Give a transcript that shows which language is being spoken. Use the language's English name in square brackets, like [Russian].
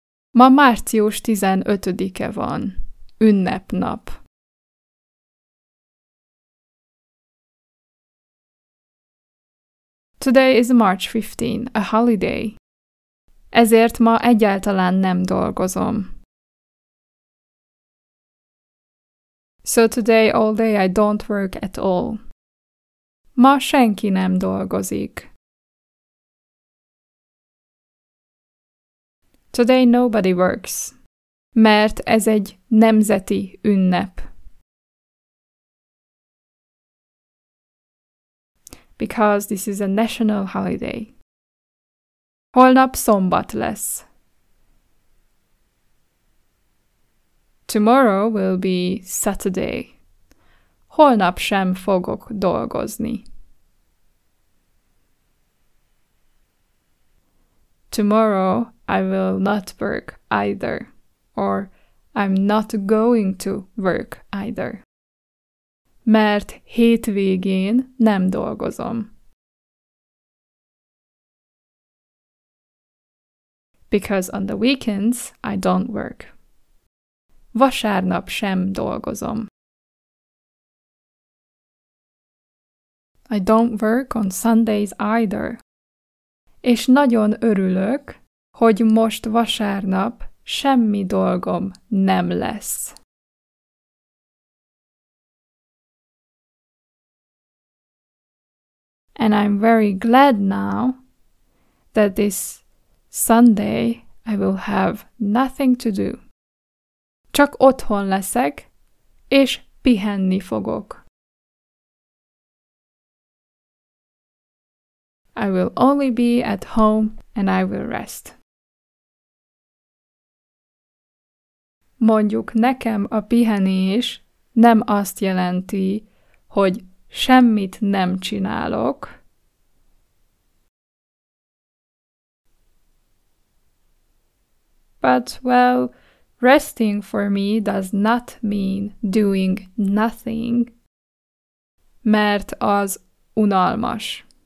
[Hungarian] Ma március 15-e van, ünnepnap. [English] Today is March 15, a holiday. [Hungarian] Ezért ma egyáltalán nem dolgozom. [English] So today all day I don't work at all. [Hungarian] Ma senki nem dolgozik. [English] Today nobody works. [Hungarian] mert ez egy nemzeti ünnep. [English] Because this is a national holiday. [Hungarian] Holnap szombat lesz. [English] Tomorrow will be Saturday. [Hungarian] Holnap sem fogok dolgozni. [English] Tomorrow I will not work either, or I'm not going to work either. [Hungarian] Mert hétvégén nem dolgozom. [English] Because on the weekends I don't work. [Hungarian] Vasárnap sem dolgozom. [English] I don't work on Sundays either. [Hungarian] És nagyon örülök, hogy most vasárnap semmi dolgom nem lesz. [English] And I'm very glad now that this Sunday I will have nothing to do. [Hungarian] Csak otthon leszek, és pihenni fogok. [English] I will only be at home and I will rest. [Hungarian] Mondjuk nekem a pihenés nem azt jelenti, hogy semmit nem csinálok. [English] But, well, resting for me does not mean doing nothing, [Hungarian] mert az unalmas.